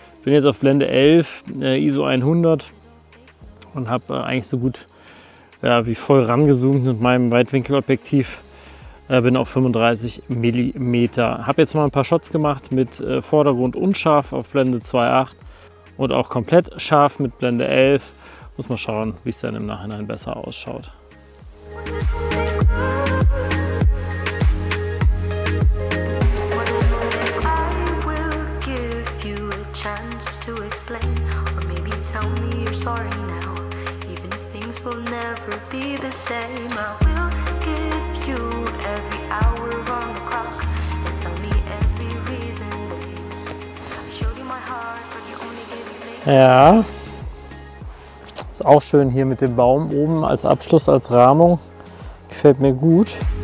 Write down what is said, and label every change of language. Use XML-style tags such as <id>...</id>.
<de>Bin jetzt auf Blende 11, ISO 100 und habe eigentlich so gut wie voll rangezoomt mit meinem Weitwinkelobjektiv. Bin auf 35 mm. Habe jetzt mal ein paar Shots gemacht mit Vordergrund unscharf auf Blende 2.8 und auch komplett scharf mit Blende 11. Muss mal schauen, wie es dann im Nachhinein besser ausschaut.</de> <en>I will give you a chance to explain, or maybe tell me you're sorry now, even if things will never be the same. I will give you every hour on the clock and tell me every reason. I showed you my heart, but you only gave me pain.</en> <de>Ja. Ist auch schön hier mit dem Baum oben als Abschluss, als Rahmung. Gefällt mir gut.</de>